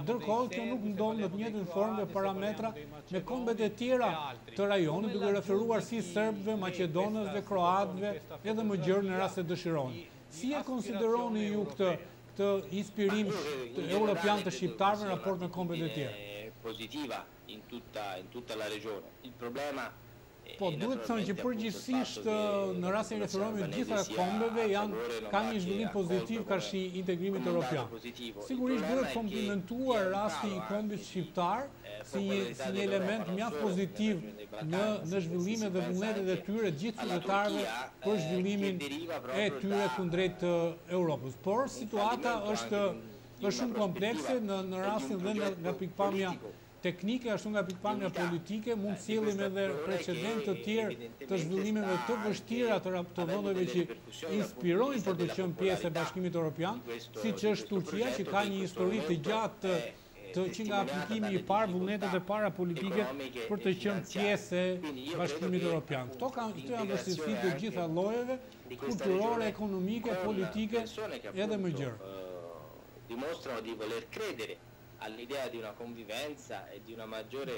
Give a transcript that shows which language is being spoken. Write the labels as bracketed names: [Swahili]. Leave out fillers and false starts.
[Albanian] Ndërkohë kjo nuk ndonë në të njëjtën formë dhe parametra me kombet e tjera të rajonit, duke referuar si serbëve, maqedonësve, kroatëve, edhe më gjërë në rast se dëshironi. Si e konsideroni ju këtë inspirim të europian të shqiptarëve në raport me kombet e tjera? [Italian] Pozitiva in tutta la regione. Il problema [Albanian] Po, duhet të thënë që përgjithsisht në rastin e referohemi të gjitha kombeve janë kanë një zhvillim pozitiv kashi integrimit evropian. Sigurisht duhet komplimentuar rasti i kombit shqiptar si një element mjaft pozitiv në zhvillimet dhe vullnetet e tyre gjithë qytetarëve për zhvillimin e tyre kundrejt Europës. Por situata është shumë komplekse në rastin dhe nga pikpamja teknike, ashtu nga pikpamja politike, mund sjellim edhe precedent të tjerë të zhvillimeve të vështira të vendeve që inspirojnë për të qenë pjesë e Bashkimit Evropian, siç është Turqia, që ka një histori të gjatë të që nga aplikimi i parë vullnetet e para politike për të qenë pjesë e Bashkimit Evropian. Këto janë vështirësi të gjitha lojeve, kulturore, ekonomike, politike, edhe më gjërë. [Italian] Dimostrano di voler credere all'idea di una convivenza e di una maggiore